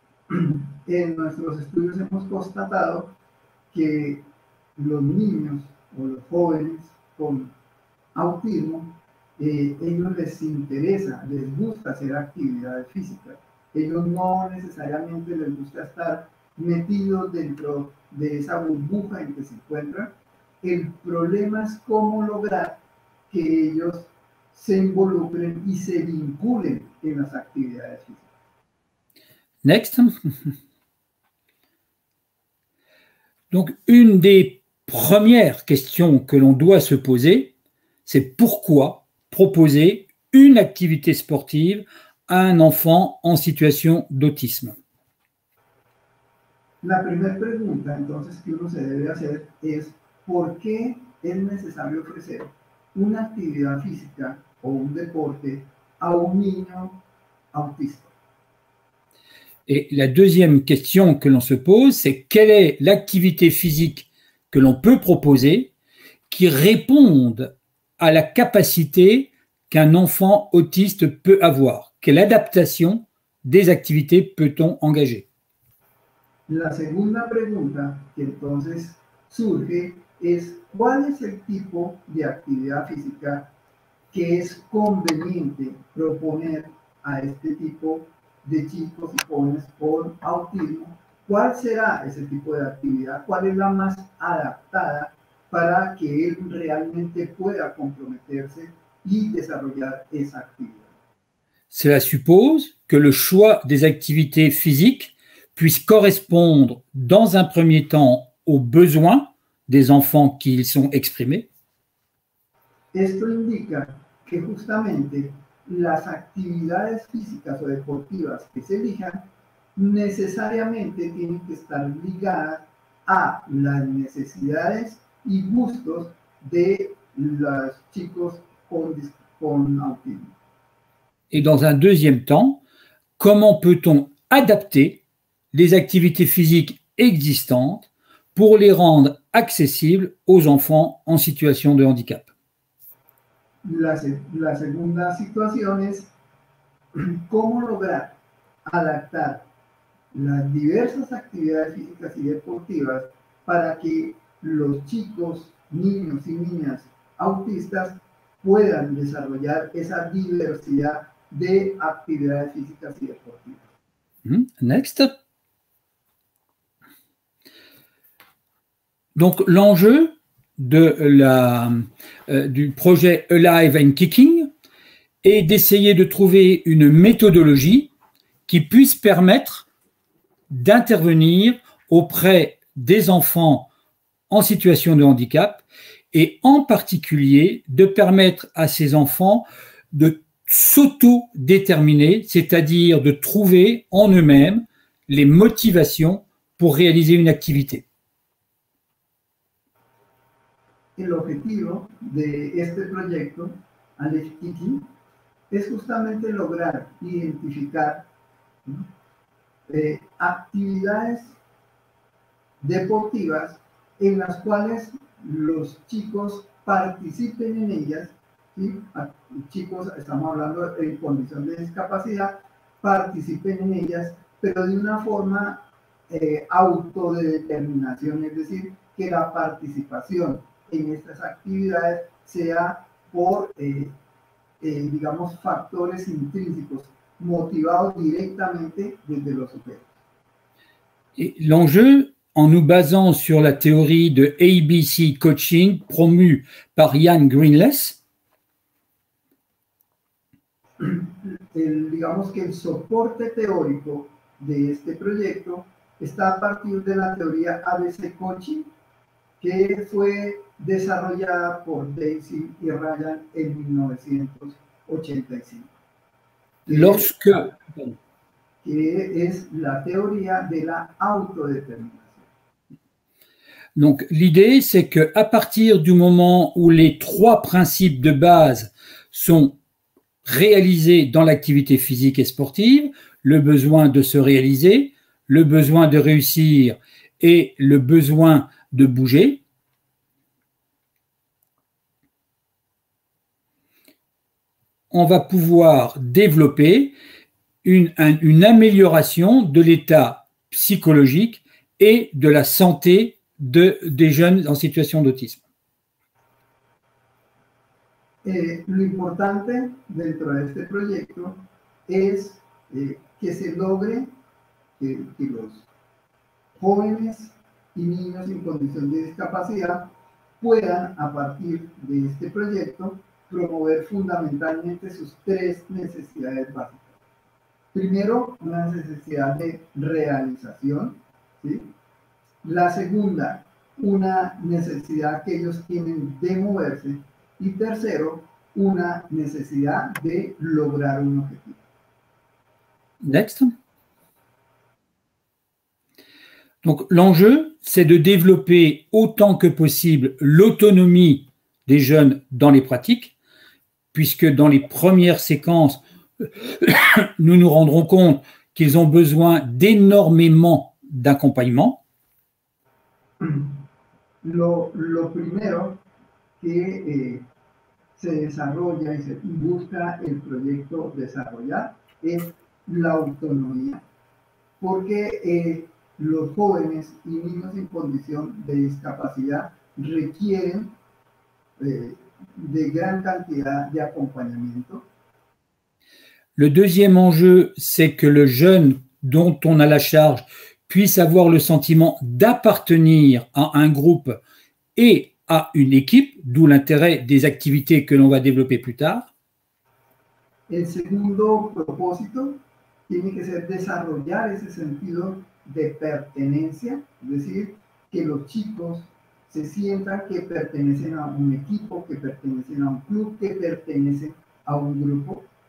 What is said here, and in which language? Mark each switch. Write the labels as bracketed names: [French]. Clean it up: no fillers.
[Spanish] En nuestros estudios hemos constatado que los niños o los jóvenes con autismo, ellos les interesa, les gusta hacer actividades físicas. Ellos no necesariamente les gusta estar metidos dentro de esa burbuja en que se encuentran. El problema es cómo lograr que ellos se involucren y se vinculen en las actividades físicas. [English] Next. [French] Donc, une des premières questions que l'on doit se poser, c'est pourquoi proposer une activité sportive à un enfant en situation d'autisme. La première [Spanish] pregunta, entonces, que uno se debe hacer es por qué es necesario ofrecer una actividad física o un deporte a un niño autista. [French] Et la deuxième question que l'on se pose, c'est quelle est l'activité physique que l'on peut proposer qui réponde à la capacité qu'un enfant autiste peut avoir? Quelle adaptation des activités peut-on engager? [Spanish] La segunda pregunta que entonces surge es ¿cuál es el tipo de actividad física que es conveniente proponer a este tipo de chicos y jóvenes con autismo? ¿Cuál será ese tipo de actividad? ¿Cuál es la más adaptada para que él realmente pueda comprometerse y desarrollar esa actividad? [French] Cela suppose que le choix des activités physiques puisse correspondre dans un premier temps aux besoins des enfants qui y sont exprimés. [Spanish] Esto indica que justamente las actividades físicas o deportivas que se elijan necesariamente tienen que estar ligadas a las necesidades y gustos de los chicos con autismo. [French] Et dans un deuxième temps, comment peut-on adapter les activités physiques existantes pour les rendre accessibles aux enfants en situation de handicap? [Spanish] La segunda situación es cómo lograr adaptar las diversas actividades físicas y deportivas para que los chicos, niños y niñas autistas puedan desarrollar esa diversidad de actividades físicas y deportivas. [English] Next. [French] Donc l'enjeu de du projet Alive and Kicking est d'essayer de trouver une méthodologie qui puisse permettre d'intervenir auprès des enfants en situation de handicap et en particulier de permettre à ces enfants de s'auto-déterminer, c'est-à-dire de trouver en eux-mêmes les motivations pour réaliser une activité. [Spanish] El objetivo de este proyecto, Alive Kicking, es justamente lograr identificar actividades deportivas en las cuales los chicos participen en ellas, ¿sí? Chicos, estamos hablando en condición de discapacidad, participen en ellas, pero de una forma autodeterminación, es decir, que la participación en estas actividades sea por, digamos, factores intrínsecos, motivados directamente desde los sujetos. [French] Et l'enjeu, en nous basant sur la théorie de ABC Coaching, promue par Ian Greenless, [Spanish] digamos que el soporte teórico de este proyecto está a partir de la teoría ABC Coaching, que fue desarrollada por Daisy y Ryan en 1985. [French] Lorsque... [Spanish] Que es la teoría de la autodeterminación. [French] Donc, l'idée, c'est que à partir du moment où les trois principes de base sont réalisés dans l'activité physique et sportive, le besoin de se réaliser, le besoin de réussir et le besoin de bouger, on va pouvoir développer une amélioration de l'état psychologique et de la santé des jeunes en situation d'autisme. [Spanish] Lo importante dentro de este proyecto es que se logre que los jóvenes y niños en condición de discapacidad puedan, a partir de este proyecto, promover fundamentalmente sus tres necesidades básicas. Primero, una necesidad de realización, ¿sí? La segunda, una necesidad que ellos tienen de moverse. Y tercero, una necesidad de lograr un objetivo. [English] Next. [French] Donc, l'enjeu, c'est de développer autant que possible l'autonomie des jeunes dans les pratiques, puisque dans les premières séquences, nous nous rendrons compte qu'ils ont besoin d'énormément d'accompagnement. [Spanish] Lo primero que se desarrolla y se busca el proyecto desarrollar es la autonomía, porque los jóvenes y niños en condición de discapacidad requieren de gran cantidad de acompañamiento. [French] Le deuxième enjeu, c'est que le jeune dont on a la charge puisse avoir le sentiment d'appartenir à un groupe et à une équipe, d'où l'intérêt des activités que l'on va développer plus tard. [Spanish] El segundo propósito tiene que ser desarrollar ese sentido de pertenencia, es decir, que los chicos se sientan que pertenecen a un equipo, que pertenecen a un club, que pertenecen a un grupo.